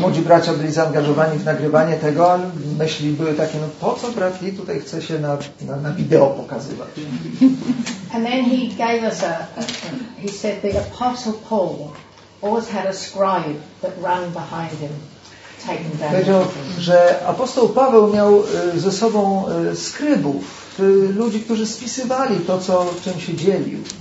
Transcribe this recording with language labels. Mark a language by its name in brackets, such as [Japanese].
[Polish] Młodzi bracia byli zaangażowani w nagrywanie tego, a myśli były takie, no po co brat Lee tutaj chce się na wideo pokazywać? [English] And then he gave us he said the Apostle Paul always had a scribe that ran behind him. [Polish] Powiedział, że apostoł Paweł miał ze sobą skrybów, ludzi, którzy spisywali to, co, czym się dzielił.